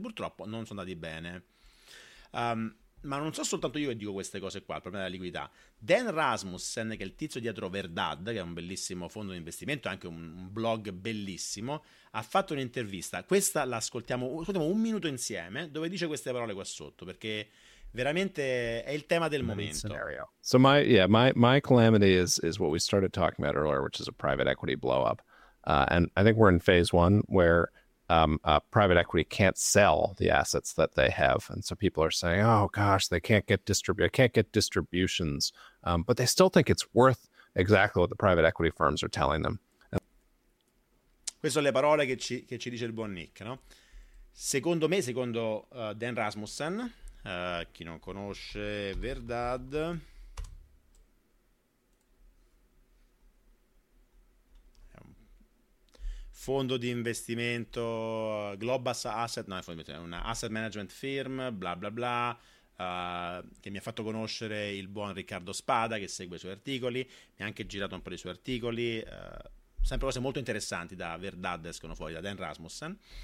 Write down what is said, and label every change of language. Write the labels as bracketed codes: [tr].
[it] Purtroppo non sono andati bene. Ma non so soltanto io che dico queste cose qua, il problema della liquidità. Dan Rasmussen, che è il tizio dietro Verdad, che è un bellissimo fondo di investimento, anche un blog bellissimo, ha fatto un'intervista, questa l'ascoltiamo un minuto insieme, dove dice queste parole qua sotto, perché veramente è il tema del momento. [en] So my calamity is what we started talking about earlier, which is a private equity blow up. And I think we're in phase one where private equity can't sell the assets that they have. And so people are saying, oh gosh, they can't get distributions. But they still think it's worth exactly what the private equity firms are telling them. [it] Queste sono le parole che ci dice il buon Nick, no? Secondo me, secondo Dan Rasmussen, chi non conosce Verdad, fondo di investimento Global Asset, no, è un asset management firm, bla bla bla, che mi ha fatto conoscere il buon Riccardo Spada, che segue i suoi articoli, mi ha anche girato un po' i suoi articoli, sempre cose molto interessanti da Verdad escono fuori, da Dan Rasmussen.